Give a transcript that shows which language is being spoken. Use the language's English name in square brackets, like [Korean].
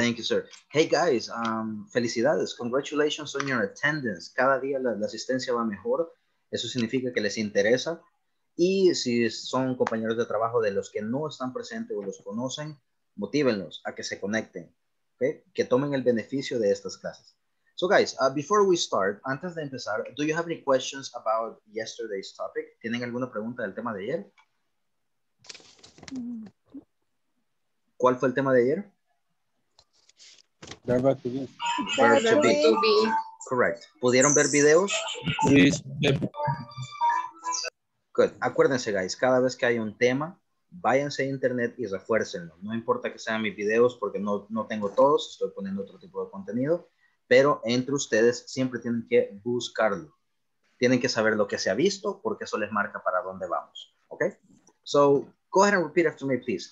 [English] Thank you, sir. Hey, guys, felicidades. Congratulations on your attendance. [Spanish] Cada día la asistencia va mejor. Eso significa que les interesa. Y si son compañeros de trabajo de los que no están presentes o los conocen, motívenlos a que se conecten, okay? Que tomen el beneficio de estas clases. [English] So, guys, before we start, [Spanish] antes de empezar, [English] do you have any questions about yesterday's topic? [Spanish] ¿Tienen alguna pregunta del tema de ayer? ¿Cuál fue el tema de ayer? Verbo to be. Verbo to be. Correct. ¿Pudieron ver videos? [English] Please. Yep. Good. [Spanish] Acuérdense, guys, cada vez que hay un tema, váyanse a internet y refuércenlo. No importa que sean mis videos porque no tengo todos, estoy poniendo otro tipo de contenido, pero entre ustedes siempre tienen que buscarlo. Tienen que saber lo que se ha visto porque eso les marca para dónde vamos. ¿Ok? [English] So, go ahead and repeat after me, please.